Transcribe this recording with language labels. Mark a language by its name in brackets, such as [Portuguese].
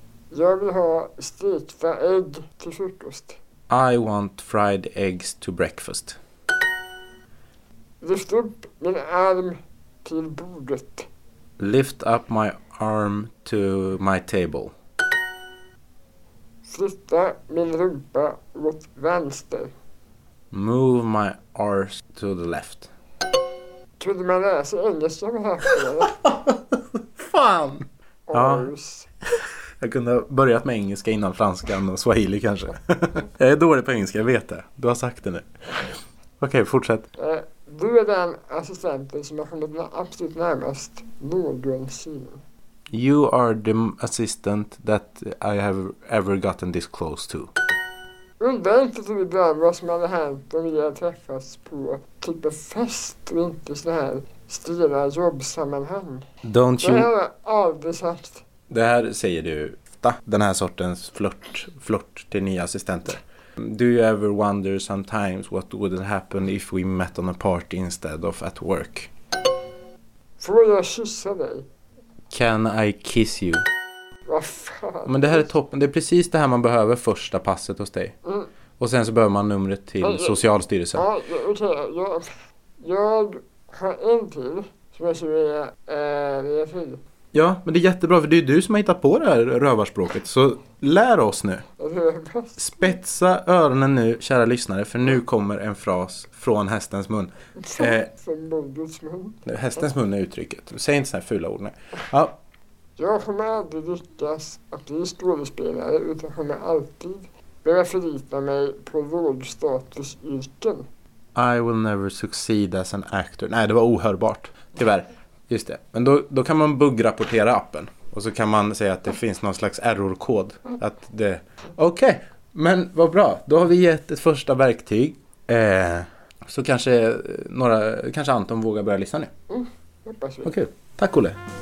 [Swedish] Jag vill ha stekfärd till frukost. [English] I want fried eggs to breakfast. [Swedish] Lyft upp min arm till bordet. [English] Lift up my arm to my table. [Swedish] Flytta min rumpa mot vänster. [English] Move my arse to the left. [Swedish] Kunde man läsa engelska med här? Fan! [English] Arse. [Swedish] Ja. Jag kunde ha börjat med engelska innan franskan och swahili kanske. Jag är dålig på engelska, jag vet det. Du har sagt det nu. Okej, okay, fortsätt. Du är den assistenten som har kommit absolut närmast någonsin. [English] You are the assistant that I have ever gotten this close to. [Swedish] Undrar inte så ibland vad som hade hänt om vi hade träffats på typ en fest och inte så här stela jobbsammanhang. [English] Don't you... [Swedish] Det har jag aldrig sagt. Det här säger du ofta, den här sortens flört till nya assistenter. [English] Do you ever wonder sometimes what would happen if we met on a party instead of at work? [Swedish] Får jag kyssa dig? [English] Can I kiss you? [Swedish] Vad fan? Men det här är toppen. Det är precis det här man behöver första passet hos dig. Mm. Och sen så behöver man numret till Socialstyrelsen. Ja, okej. Jag har en till som jag ska göra till. Ja, men det är jättebra, för det är du som har hittat på det här rövarspråket. Så lär oss nu. Spetsa öronen nu, kära lyssnare, för nu kommer en fras från hästens mun. Från bondens mun. Hästens mun är uttrycket. Säg inte sådana här fula ord nu. Ja. Jag kommer aldrig lyckas att bli skådespelare, utan kommer alltid behöva förlita mig på vårdstatusyrken. [English] I will never succeed as an actor. [Swedish] Nej, det var ohörbart, tyvärr. Just det, men då kan man buggrapportera appen. Och så kan man säga att det finns någon slags errorkod. Okej, men vad bra. Då har vi gett ett första verktyg. Så kanske kanske Anton vågar börja lyssna nu. Hoppas vi. Okej, tack Olle.